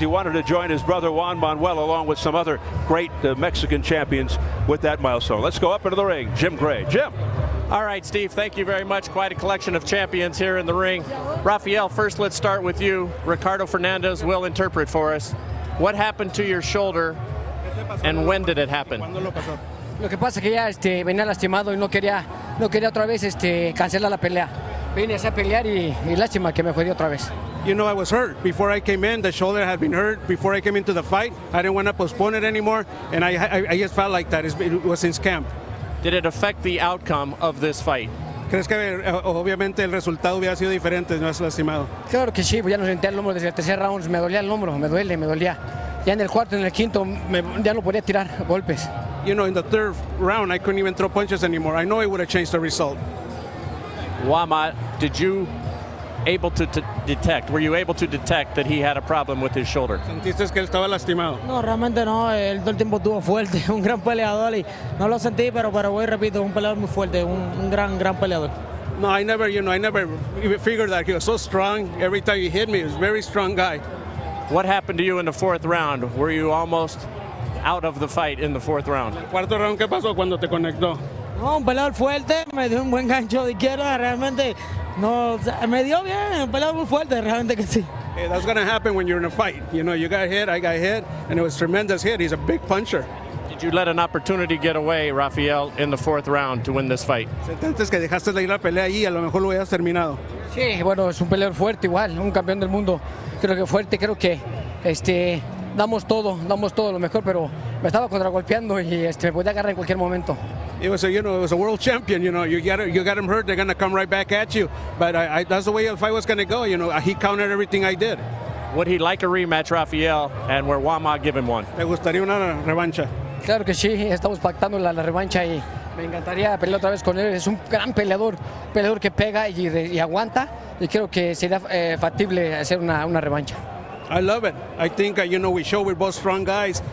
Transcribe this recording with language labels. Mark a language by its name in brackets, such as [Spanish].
[English] He wanted to join his brother Juan Manuel along with some other great Mexican champions with that milestone. Let's go up into the ring. Jim Gray. Jim. All right, Steve. Thank you very much. Quite a collection of champions here in the ring. Rafael, first let's start with you. Ricardo Fernandez will interpret for us. What happened to your shoulder and when did it happen? [Spanish] Lo que pasa es que ya venía lastimado y no quería otra vez cancelar la pelea. Vine a pelear y lástima que me jodí otra vez. [English] You know, I was hurt before I came in. The shoulder had been hurt before I came into the fight. I didn't want to postpone it anymore, and I just felt like that. It was since camp. Did it affect the outcome of this fight? [Spanish] ¿Crees que obviamente el resultado hubiera sido diferente si no has lastimado? Claro que sí, ya no sentía el hombro desde el tercer round. Me dolía el hombro, me dolía. Ya en el cuarto, en el quinto, ya no podía tirar golpes. [English] You know, in the third round, I couldn't even throw punches anymore. I know it would have changed the result. Wama, were you able to detect that he had a problem with his shoulder? [Spanish] ¿Sentiste que él estaba lastimado? No, realmente no. Él todo el tiempo estuvo fuerte, un gran peleador. Y no lo sentí, pero voy y repito, un peleador muy fuerte, un gran peleador. [English] No, I never even figured that. He was so strong. Every time he hit me, he was a very strong guy. What happened to you in the fourth round? Were you almost out of the fight in the fourth round? [Spanish] Cuarto round, ¿qué pasó cuando te conectó? No, un peleador fuerte, me dio un buen gancho de izquierda, realmente no, me dio bien, un peleador muy fuerte, realmente que sí. [English] Hey, that's gonna happen when you're in a fight. You know, you got hit, I got hit, and it was a tremendous hit. He's a big puncher. Did you let an opportunity get away, Rafael, in the fourth round to win this fight? [Spanish] Sentiste que dejaste de ir la pelea ahí, a lo mejor lo hubieras terminado. Sí, bueno, es un peleador fuerte igual, un campeón del mundo. Creo que fuerte, creo que damos todo lo mejor, pero me estaba contragolpeando y me podía agarrar en cualquier momento. [English] It was a, you know, it was a world champion, you know, you got him hurt, they're going to come right back at you. But I that's the way the fight was going to go, you know, he countered everything I did. Would he like a rematch, Rafael, and where Wama give him one? [Spanish] ¿Te gustaría una revancha? Claro que sí, estamos pactando la revancha y me encantaría pelear otra vez con él. Es un gran peleador que pega y aguanta y creo que sería factible hacer una revancha. [English] I love it. I think, you know, we're both strong guys.